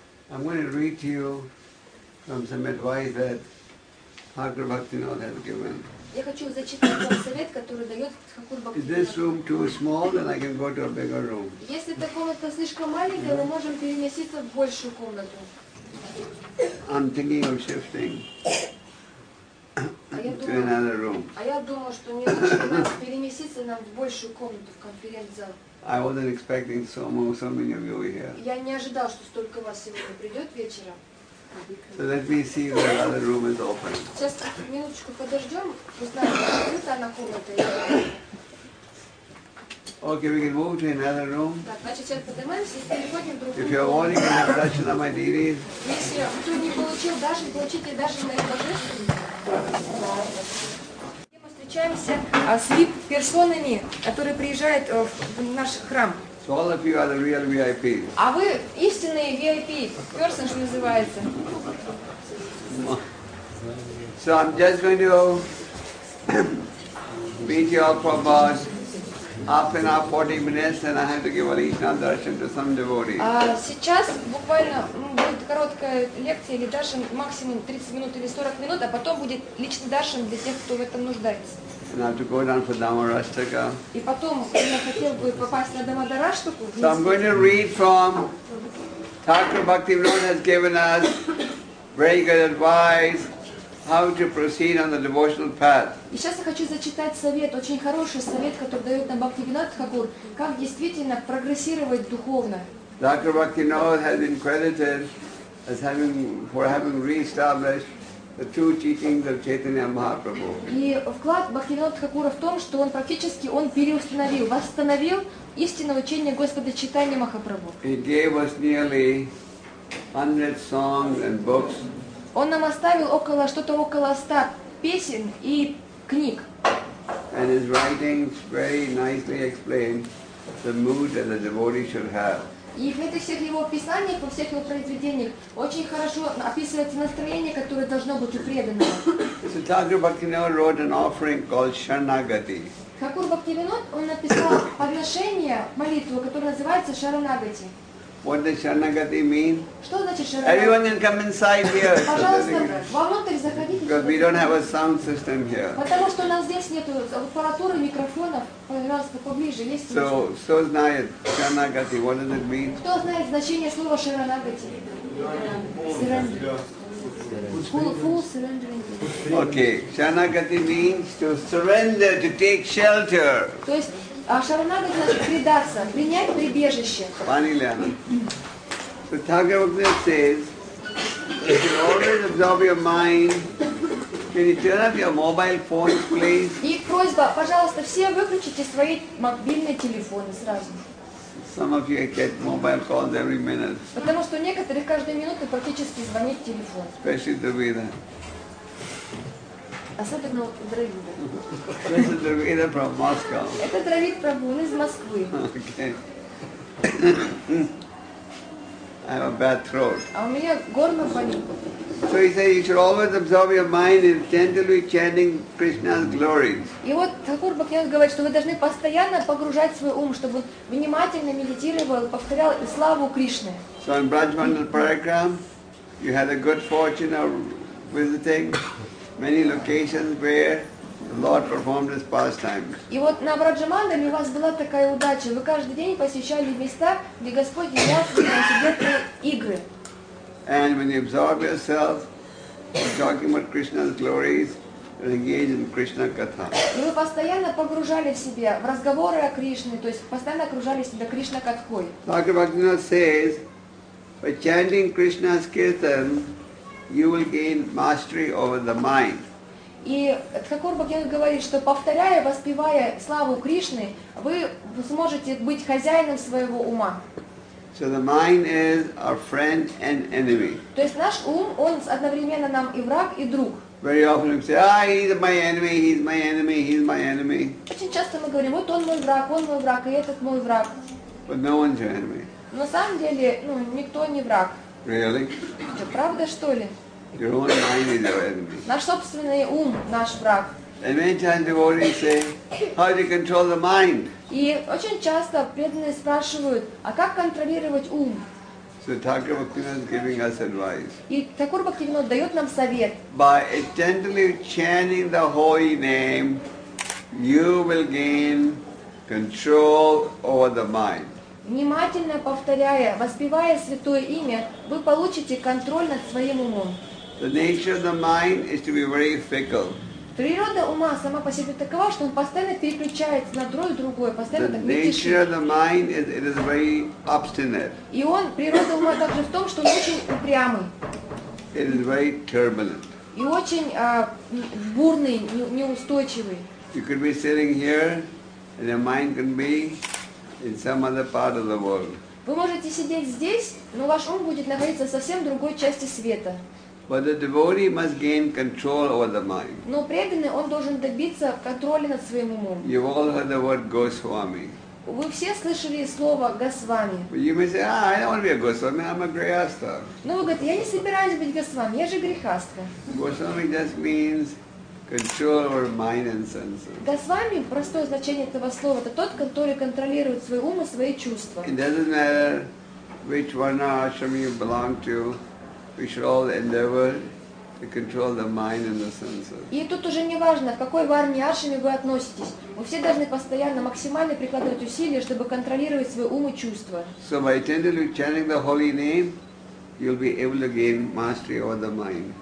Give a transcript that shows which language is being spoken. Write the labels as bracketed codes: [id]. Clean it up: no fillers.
[en] I'm going to read to you from some advice that Thakur Bhaktivinoda has given. [ru] Я хочу зачитать вам совет, который дает Thakur Bhaktivinoda. [en] Is this room too small, then I can go to a bigger room. [ru] Если эта комната слишком маленькая, мы можем переместиться в большую комнату. [en] I'm thinking of shifting. [ru] А я думаю, что мне лучше переместиться нам в большую комнату, в конференц-зал. [en] I wasn't expecting so many of you here. [ru] Я не ожидал, что столько вас сегодня придет вечером. [en] So let me see if the other room is open. [ru] Сейчас минуточку подождем, узнаем, открыта она комната или нет. [en] Okay, we can move to another room. [ru] Так, значит, сейчас поднимаемся и переходим в другую. [en] If you're wanting an introduction of my deities. [ru] Если кто не получил даже, получите даже мои божественные. Мы встречаемся с VIP-персонами, которые приезжают в наш храм. [en] So all of you are the real VIP. [ru] А вы истинные VIP, person, что называется. [en] So I'm just going to meet you all for about half an hour, 40 minutes, and I have to give a Lishan Darshan to some devotees. [ru] Сейчас буквально короткая лекция или даршан максимум 30 минут или 40 минут, а потом будет личный даршан для тех, кто в этом нуждается. И потом я хотел бы попасть на Дамодараштаку. [en] So I'm going to read from Thakur Bhaktivinoda has given us very good advice how to proceed on the devotional path. [ru] И сейчас я хочу зачитать совет, очень хороший совет, который дает нам Бхактивинода Тхакур, как действительно прогрессировать духовно. [en] Thakur Bhaktivinoda has been credited as having for having re-established the two teachings of Chaitanya Mahaprabhu. [ru] И вклад Бхактивинода Тхакура в том, что он практически он переустановил, восстановил истинное учение Господа Чайтаньи Махапрабху. [en] He gave us nearly 100 songs and books. [ru] Он нам оставил около что-то около 100 песен и книг. [en] And his writings very nicely explain the mood that a devotee should have. [ru] И в этих всех его писаниях, во всех его произведениях очень хорошо описывается настроение, которое должно быть у преданного. [en] So Thakur Bhaktivinoda wrote an offering called Sharanagati. [ru] Thakur Bhaktivinoda, он написал подношение, молитву, которая называется Sharanagati. [en] What does Sharanagati mean? [ru] Что значит Sharanagati? [en] Everyone can come inside here. [ru] Пожалуйста, вовнутрь заходите. [en] Because we don't have a sound system here. [ru] Потому что у нас здесь нет аппаратуры, микрофонов. Пожалуйста, поближе, лезьте. [en] So, [ru] кто знает [en] Sharanagati? What does it mean? [ru] Кто знает значение слова Sharanagati? [en] Surrender. Okay, Sharanagati means to surrender, to take shelter. [ru] То есть Шаранагати значит предаться, принять прибежище. Пани Ляна. [en] So Thakur Bhaktivinoda says, if you always absorb your mind, can you turn off your mobile phone, please? [ru] И просьба, пожалуйста, все выключите свои мобильные телефоны сразу. [en] Some of you get mobile calls every minute. [ru] Потому что некоторые каждую минуту практически звонит телефон. [en] Especially Дравида. [ru] Особенно Дравида. [en] This is Дравида from Moscow. [ru] Это Дравид Прабху, он из Москвы. [en] Okay. I have a bad throat. [ru] А у меня горло болит. [en] So he said, you should always absorb your mind in tenderly chanting Krishna's glories. [ru] И вот Тхакур Бхактивинод говорит, что вы должны постоянно погружать свой ум, чтобы он внимательно медитировал, повторял славу Кришны. [en] So in Braj Mandal Parikram, you had a good fortune of visiting many locations where the Lord performed his pastimes. [ru] И вот на Браджамандале у вас была такая удача, вы каждый день посещали места, где Господь являлся детские игры. [en] And when you absorb yourself in talking about Krishna's glories, you're engaged in Krishna katha. [ru] И вы постоянно погружали в себя в разговоры о Кришне, то есть постоянно окружали себя Кришна катхой. [en] Bhakti Bhaktivinoda says, by chanting Krishna's kirtan, you will gain mastery over the mind. [ru] И Тхакур Бхактивинод говорит, что повторяя, воспевая славу Кришны, вы сможете быть хозяином своего ума. [en] So the mind is our friend and enemy. [ru] То есть наш ум, он одновременно нам и враг, и друг. [en] Very often we say, ah, he's my enemy, he's my enemy, he's my enemy. [ru] Очень часто мы говорим, вот он мой враг, и этот мой враг. [en] But no one's your enemy. [ru] На самом деле, ну, никто не враг. [en] Really? [ru] Это правда, что ли? [en] Your own mind is your enemy. [ru] Наш собственный ум, наш враг. [en] And many times devotees say, how do you control the mind? [ru] И очень часто преданные спрашивают, а как контролировать ум? [en] So Thakur Bhaktivinoda is giving us advice. [ru] И Тхакур Бхактивинод дает нам совет. [en] By attentively chanting the holy name, you will gain control over the mind. [ru] Внимательно повторяя, воспевая святое имя, вы получите контроль над своим умом. [en] The nature of the mind is to be very fickle. [ru] Природа ума сама по себе такова, что он постоянно переключается на другое и другое, постоянно так мельтешит. [en] The nature of the mind is, it is very obstinate. [ru] И он, природа ума также в том, что он очень упрямый. [en] It is very turbulent. [ru] И очень бурный, неустойчивый. [en] You could be sitting here, and your mind can be in some other part of the world. [ru] Вы можете сидеть здесь, но ваш ум будет находиться в совсем другой части света. [en] But the devotee must gain control over the mind. [ru] Но преданный он должен добиться контроля над своим умом. [en] You all heard the word Goswami. [ru] Вы все слышали слово Госвами. [en] You may say, ah, I don't want to be a Goswami, I'm a grihastha. [ru] Ну вы говорите, я не собираюсь быть Госвами, я же грехастка. [en] Goswami just means control over mind and senses. [ru] Госвами, простое значение этого слова, это тот, который контролирует свой ум и свои чувства. [en] It doesn't matter which varna ashram you belong to. We should all endeavor to control the mind and the senses. [ru] И тут уже не важно, к какой варне ашраме вы относитесь. Вы все должны постоянно, максимально прикладывать усилия, чтобы контролировать свои умы и чувства. [en] So by attentively chanting the holy name, you'll be able to gain mastery over the mind.